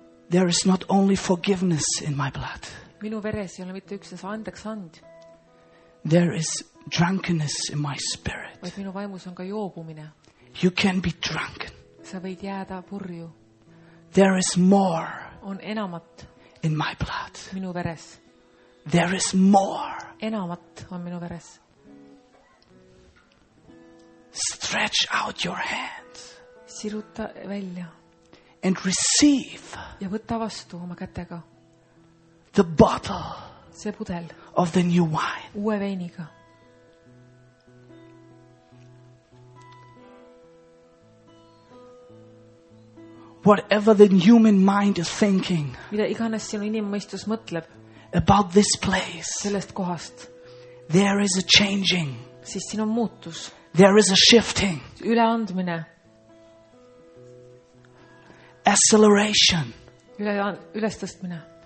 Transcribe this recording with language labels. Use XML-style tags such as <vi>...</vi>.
<en>There is not only forgiveness in my blood.</en> <et>Minu veres ei ole mitte üksnes andeks and.</et> <en>There is drunkenness in my spirit.</en> <et>Vaid minu vaimus on ka joobumine.</et> <en>You can be drunken.</en> <et>Sa võid jääda purju.</et> <en>There is more.</en> <et>On enamat.</et> <en>In my blood.</en> <et>Minu veres.</et> <en>There is more.</en> <et>Enamat on minu veres.</et> <en>Stretch out your hands.</en> <et>Siruta välja.</et> <en>And receive.</en> <et>Ja võtta vastu oma kätega.</et> <en>The bottle.</en> <et>See pudel.</et> <en>Of the new wine.</en> <et>Uue veiniga.</et> <en>Whatever the human mind is thinking.</en> <et>Mida iganes sinu inimmõistus mõtleb.</et> <en>About this place.</en> <et>Sellest kohast.</et> <en>There is a changing.</en> <et>Siis siin on muutus.</et> <en>There is a shifting.</en> <et>Üleandmine.</et> <en>Acceleration.</en> <et>Ülestõstmine.</et>